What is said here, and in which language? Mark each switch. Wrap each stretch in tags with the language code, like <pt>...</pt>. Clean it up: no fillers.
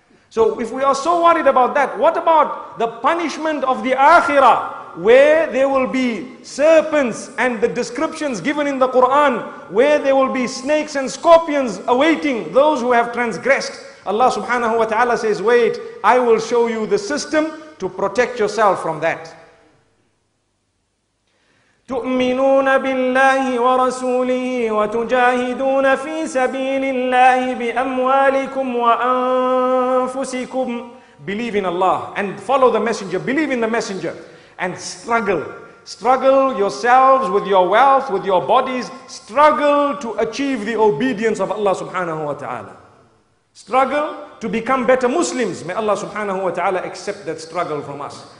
<en>So if we are so worried about that, what about the punishment of the akhirah, where there will be serpents and the descriptions given in the Quran, where there will be snakes and scorpions awaiting those who have transgressed? Allah subhanahu wa ta'ala says, wait, I will show you the system to protect yourself from that.</en> <ar>تؤمنون بالله ورسوله وتجاهدون في سبيل الله بأموالكم وأنفسكم.</ar> <en>Believe in Allah and follow the messenger. Believe in the messenger and struggle. Struggle yourselves with your wealth, with your bodies. Struggle to achieve the obedience of Allah subhanahu wa ta'ala. Struggle to become better Muslims. May Allah subhanahu wa ta'ala accept that struggle from us.</en>